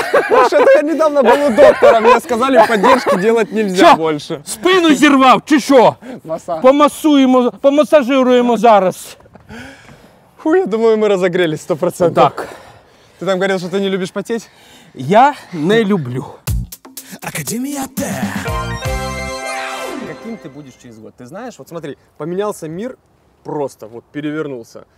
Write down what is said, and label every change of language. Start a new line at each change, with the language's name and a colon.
Russian: Вообще-то я недавно был у доктора, мне сказали, поддержки делать нельзя чё? Больше.
Ukrainian: Спину зервав, чи що?
Russian: Массаж.
Ukrainian: Помассуємо, помассажируємо зараз.
Russian: Фу, я думаю, мы разогрелись 100%. Так. Ты там говорил, что ты не любишь потеть? Я не люблю. Академия Т. Каким ты будешь через год? Ты знаешь, вот смотри, поменялся мир просто, вот перевернулся.